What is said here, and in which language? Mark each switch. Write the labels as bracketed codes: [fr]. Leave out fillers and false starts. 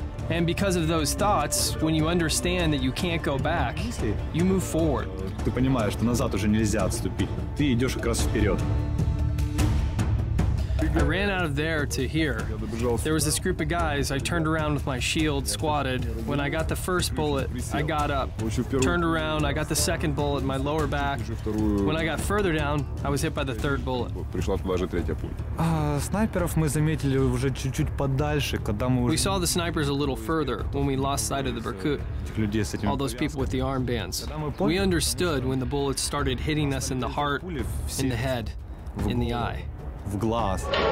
[en] And because of those thoughts, when you understand that you can't go back, you move forward. [ru] Ты понимаешь, что назад уже нельзя отступить. Ты идешь как раз вперед. [en] I ran out of there to here. There was this group of guys. I turned around with my shield, squatted. When I got the first bullet, I got up. Turned around, I got the second bullet, my lower back. When I got further down, I was hit by the third bullet. [ru] Снайперов мы заметили уже чуть-чуть подальше, когда мы уже... [en] We saw the snipers a little further when we lost sight of the Berkut. All those people with the armbands. We understood when the bullets started hitting us in the heart, in the head, in the eye. [ru] В глаз.